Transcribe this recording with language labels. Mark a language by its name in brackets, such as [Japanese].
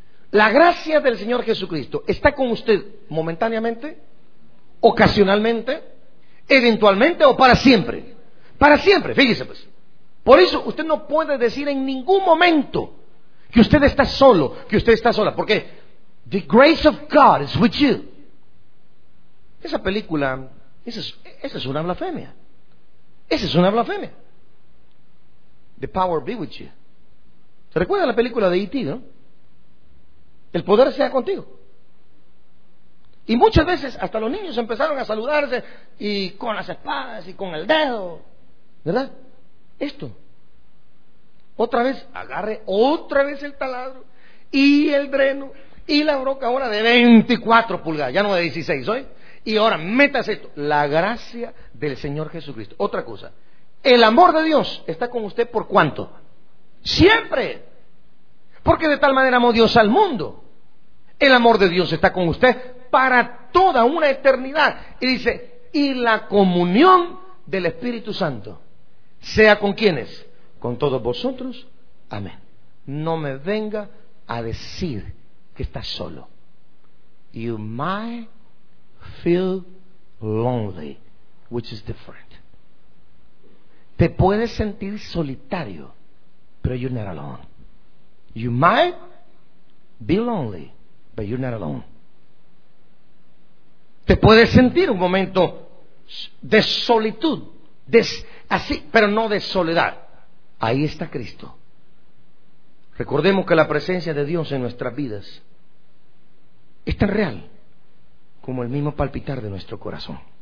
[Spanish] La gracia del Señor Jesucristo está con usted momentáneamente, ocasionalmente, eventualmente o para siempre. Para siempre, fíjese pues. Por eso usted no puede decir en ningún momento que usted está solo, que usted está sola. ¿Por qué? [English] The grace of God is with you. [Spanish] Esa película, esa es una blasfemia. Esa es una blasfemia. [English] The power be with you. [Spanish] ¿Se recuerda la película de E.T., no? El poder sea contigo. Y muchas veces hasta los niños empezaron a saludarse y con las espadas y con el dedo. ¿Verdad? Esto. Otra vez, agarre otra vez el taladro y el dreno. Y la broca ahora de 24 pulgadas, ya no de 16 hoy. Y ahora metas esto, la gracia del Señor Jesucristo. Otra cosa, el amor de Dios está con usted ¿por cuánto? Siempre. Porque de tal manera amó Dios al mundo. El amor de Dios está con usted para toda una eternidad. Y dice, y la comunión del Espíritu Santo sea con quienes, con todos vosotros. Amén. No me venga a decir que estás solo. [English] You might feel lonely, which is different. [Spanish] Te puedes sentir solitario, pero [English] you're not alone. You might be lonely, but you're not alone. [Spanish] Te puedes sentir un momento de solitud, así, pero no de soledad. Ahí está Cristo. Recordemos que la presencia de Dios en nuestras vidas es tan real como el mismo palpitar de nuestro corazón.